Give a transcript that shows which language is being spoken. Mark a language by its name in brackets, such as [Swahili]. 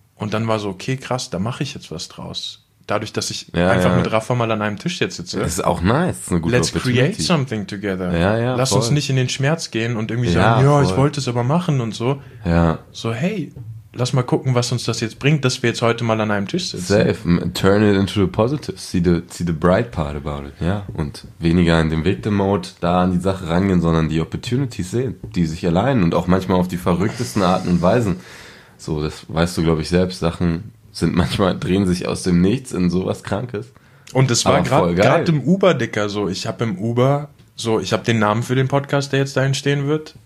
[German] Und dann war so, okay, krass, da mache ich jetzt was draus. Dadurch, dass ich einfach mit Rafa mal an einem Tisch jetzt sitze. Das ist auch nice. Ist eine gute [English] Let's create something together. [German] Ja, ja, lass voll. Uns nicht in den Schmerz gehen und irgendwie sagen, ja, ich wollte es aber machen und so. Ja. So, hey, lass mal gucken, was uns das jetzt bringt, dass wir jetzt heute mal an einem Tisch sitzen. Safe. [English] Turn it into the positive. See the bright part about it. [German] Ja. Und weniger in dem Victim-Mode da an die Sache rangehen, sondern die Opportunities sehen, die sich allein und auch manchmal auf die verrücktesten Arten und Weisen. So, das weißt du, glaube ich, selbst. Sachen sind manchmal, drehen sich aus dem Nichts in sowas Krankes. Und das war gerade im Uber, Dicker, so. Ich habe im Uber, so, ich habe den Namen für den Podcast, der jetzt da entstehen wird.